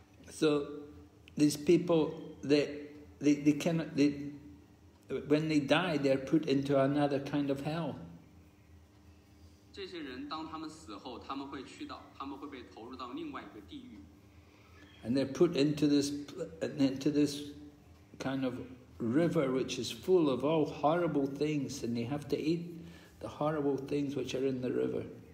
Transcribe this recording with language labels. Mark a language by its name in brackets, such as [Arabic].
[English] So these people, they cannot, they, when they die, they are put into another kind of hell. [Chinese] 这些人当他们死后, 他们会去到, 他们会被投入到另外一个地狱。 [English] And they're put into this kind of river which is full of all horrible things, and they have to eat the horrible things which are in the river.